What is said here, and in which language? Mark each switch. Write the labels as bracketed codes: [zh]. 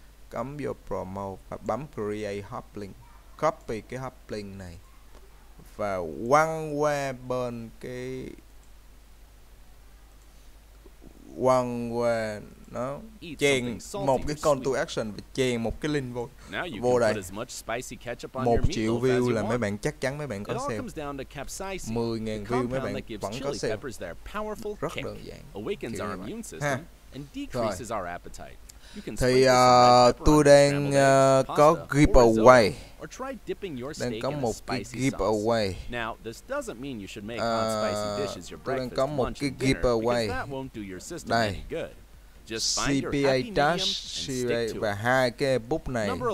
[vi] Cấm vô promo và bấm create hop link. Copy cái hop link này và quăng qua bên cái quăng qua nó chèn một cái call to action và chèn một cái link vô vô đây. 1 triệu view là mấy bạn chắc chắn mấy bạn có sale. 10,000 view mấy bạn vẫn có sale. Rất đơn giản. [en] Awakens our immune system and decreases our appetite. [vi] Thì tôi đang có giveaway. Đang có một cái giveaway. Tôi đang có một cái giveaway. Đây. CPA Dash CPA và hai cái ebook này.